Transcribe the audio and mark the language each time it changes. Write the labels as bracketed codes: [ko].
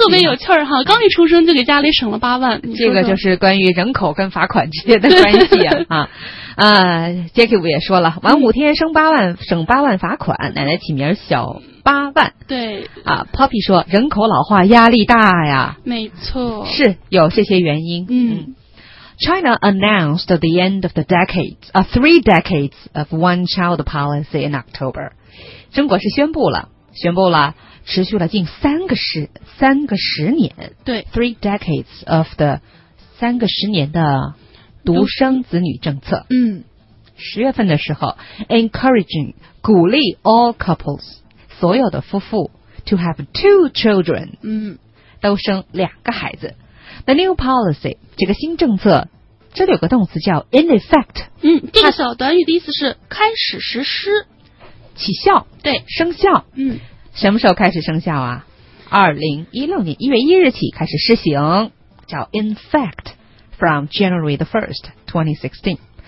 [zh] 特别有趣儿哈。刚一出生就给家里省了8万，说说这个就是关于人口跟罚款之间的关系啊。 Jacob 也说了，晚5天生8万，省8万罚款，奶奶起名小8万。对啊 ，Poppy 说人口老化压力大呀，没错，是有这些原因。嗯。 [en] China announced the end of the decades, three decades of one child policy in October. [zh] 中国是宣布了持续了近三个十年。对 , three decades of the 三个十年的独生子女政策。嗯。 10月份的时候 ,encouraging, 鼓励 all couples, 所有的夫妇 to have two children, 都生2个孩子。 The new policy, 这个新政策这里有个动词叫 in effect。这个小短语的意思是开始实施。起效。对。生效。嗯。什么时候开始生效啊 ?2016 年1月1日起开始施行。 [en] 叫 in effect from January the 1st, 2016.